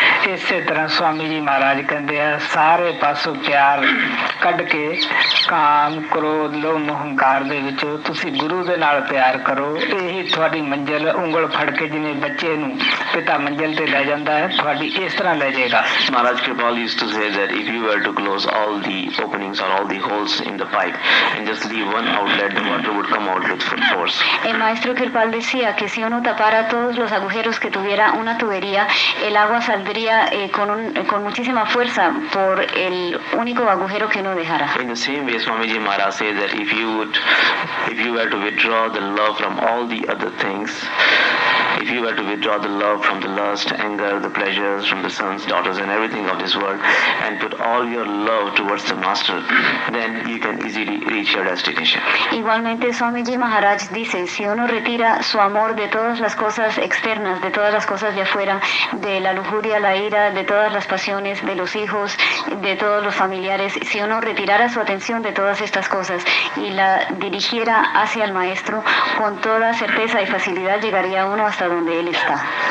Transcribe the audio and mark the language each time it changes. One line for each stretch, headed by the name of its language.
Punjabi: ਇਸੇ ਤਰ੍ਹਾਂ ਸਵਾਮੀ ਜੀ ਮਹਾਰਾਜ ਕਹਿੰਦੇ ਆ ਸਾਰੇ ਪਾਸੋਂ ਪਿਆਰ ਕੱਢ ਕੇ ਕਾਮ ਕ੍ਰੋਧ ਲੋਭ ਮੋਹ ਹੰਕਾਰ ਦੇ ਵਿੱਚ ਤੁਸੀਂ ਗੁਰੂ ਦੇ ਨਾਲ ਪਿਆਰ ਕਰੋ, ਇਹੀ ਤੁਹਾਡੀ ਮੰਜ਼ਿਲ। ਉਂਗਲ ਫੜ ਕੇ ਜਿਵੇਂ ਬੱਚੇ ਨੂੰ ਪਿਤਾ ਮੰਜ਼ਿਲ ਤੇ ਲੈ ਜਾਂਦਾ ਹੈ, ਤੁਹਾਡੀ ਇਸ ਤਰ੍ਹਾਂ ਲੈ ਜਾਏਗਾ।
English: Maharaj Kirpal used to say that if you were to close all the openings or all the holes holes in the pipe and just leave one outlet, the water would come out with full force.
Spanish: El maestro Kirpal decía que si uno tapara todos los agujeros que tuviera una tubería, el agua saldría con muchísima fuerza por el único agujero que uno dejara.
English: In the same way, Swamiji Maharaj says that if you were to withdraw the love from all the other things, if you were to withdraw the love from the lust, anger, the pleasures, from the sons, daughters, and everything of this world, and put all your love towards the Master, then you can easily reach your destination.
Spanish: Igualmente, Swamiji Maharaj dice, si uno retira su amor de todas las cosas externas, de todas las cosas de afuera, de la lujuria, la ira, de todas las pasiones, de los hijos, de todos los familiares, si uno retirara su atención de todas estas cosas y la dirigiera hacia el Maestro, con toda certeza y facilidad llegaría uno hasta donde él está.